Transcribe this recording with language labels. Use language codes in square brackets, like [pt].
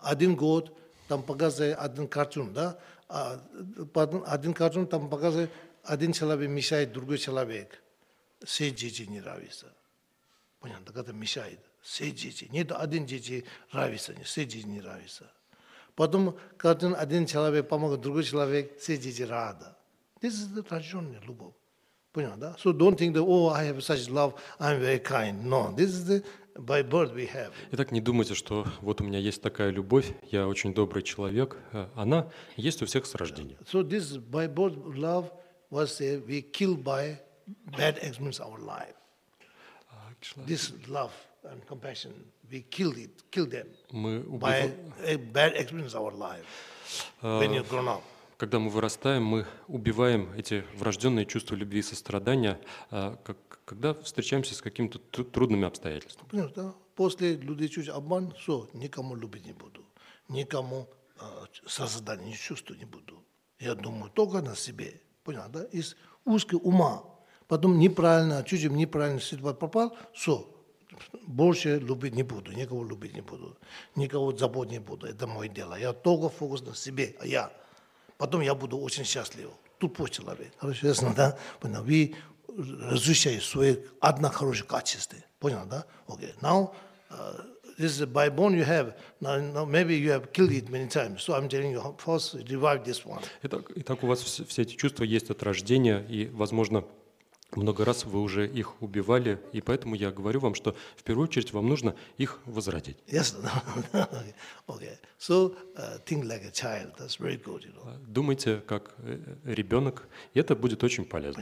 [ru] Один год, там показывают один картин, да? Один картин, там показывают, один человек мешает, другой человек. Все дети не нравятся. Понятно, так это мешает. Все дети. Нет, один дети нравится, все дети не нравятся. Потом, когда один человек помогает другой человек, все дети рады. [en] This is the [ru] рожденная любовь. Понял, да? [en] So don't think that, oh, I have such love, I'm very kind. No, this is the by birth we have. [ru] Итак, не думайте, что вот у меня есть такая любовь, я очень добрый человек. Она есть у всех с рождения. [en] Yeah. So this by birth love was we killed by bad experience our life. This love. And compassion, we killed them by a bad experience of our life when you're grown up. [ru] Когда мы вырастаем, мы убиваем эти врожденные чувства любви и сострадания, когда встречаемся с какими-то трудными обстоятельствами. Понятно, да? После люди чуть обман, все, никому любить не буду, никому сострадания не чувствую не буду. Я думаю только на себе, понятно, да? Из узкого ума, потом неправильно, чуть-чуть неправильно судьба попал, все. Больше любить не буду, никого любить не буду, никого заботить не буду. Это мое дело. Я только фокус на себе, а я. Потом я буду очень счастлив. Тут пусть человек. Хорошо, ясно, да? Понял? Вы разрушаете свои одно хорошее качество. Понял, да? Окей. [en] Okay. Now, this is by bone you have. Now, maybe you have killed it many times. So I'm telling you, first revive this one. [ru] Итак, у вас все эти чувства есть от рождения, и, возможно, много раз вы уже их убивали, и поэтому я говорю вам, что в первую очередь вам нужно их возродить. Ясно. [en] Okay. So think like a child. That's very good, you know. [ru] Думайте как ребенок, и это будет очень полезно.